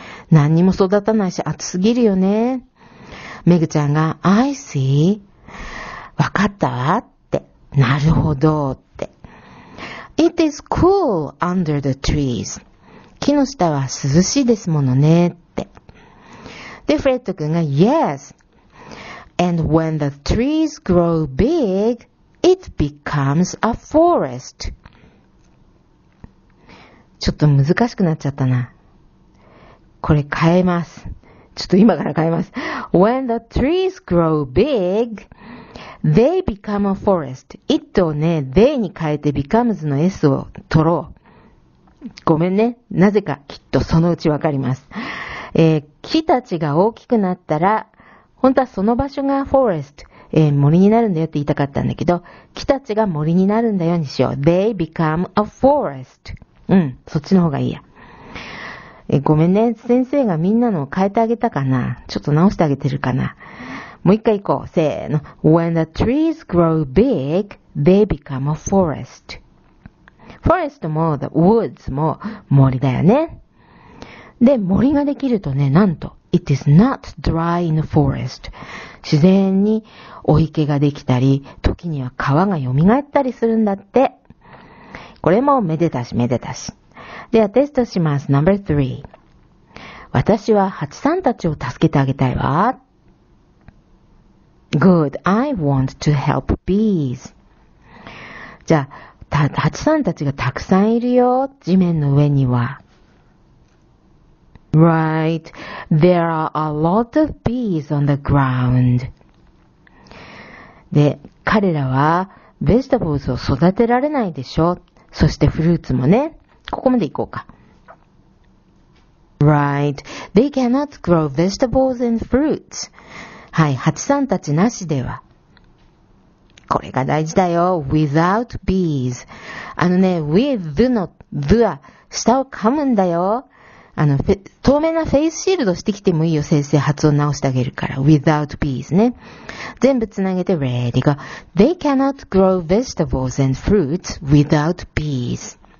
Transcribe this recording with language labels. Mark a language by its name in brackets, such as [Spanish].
[Japanese] 何にも育たないし、暑すぎるよね。メグちゃんが、 [English] I see。 [Japanese] わかったわって。なるほどって。 [English] It is cool under the trees. [Japanese] 木の下は涼しいですものねって。で、フレッド君が [English] Yes. And when the trees grow big, it becomes a forest. [Japanese] ちょっと難しくなっちゃったな。これ変えます。ちょっと今から変えます。 [English] When the trees grow big, They become a forest. It をね、they に変えて becomes の S を取ろう。 [Japanese] ごめんね。なぜかきっとそのうちわかります。木たちが大きくなったら、本当はその場所が forest、森になるんだよって言いたかったんだけど、木たちが森になるんだよにしよう。 [English] They become a forest。 [Japanese] うん、そっちの方がいいや。ごめんね。先生がみんなのを変えてあげたかな。ちょっと直してあげてるかな。もう一回行こう。せーの。 [English] When the trees grow big, they become a forest. [Japanese] Forest も the woods も森だよね。で、森ができるとね、なんと、 [English] it is not dry in the forest. [Japanese] 自然にお池ができたり、時には川が蘇ったりするんだって。これもめでたしめでたし。ではテストします。 [English] Number three. [Japanese] 私はハチさんたちを助けてあげたいわ。 [English] Good. I want to help bees. [Japanese] じゃあ、ハチさんたちがたくさんいるよ。地面の上には。 [English] Right. There are a lot of bees on the ground. [Japanese] で、彼らはベジタブルズを育てられないでしょ。そしてフルーツもね。ここまで行こうか。 [English] Right. They cannot grow vegetables and fruits. はい。 [Japanese] 蜂さんたちなしでは。これが大事だよ。 [English] Without bees. [Japanese] あのね、with の、the は、下を噛むんだよ。あの、透明なフェイスシールドしてきてもいいよ。先生、発音直してあげるから。 [English] Without bees ね。 [Japanese] 全部つなげて、 [English] ready go. They cannot grow vegetables and fruits without bees.